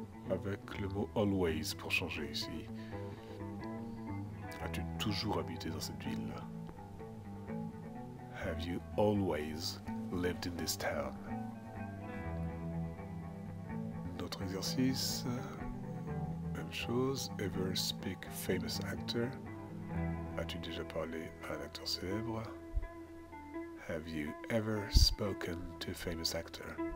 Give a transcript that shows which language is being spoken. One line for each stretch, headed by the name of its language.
French: Avec le mot always pour changer ici. As-tu toujours habité dans cette ville?
English: Have you always lived in this town?
French: Notre exercice, même chose.
English: Ever speak famous actor?
French: As-tu déjà parlé à un acteur célèbre?
English: Have you ever spoken to a famous actor?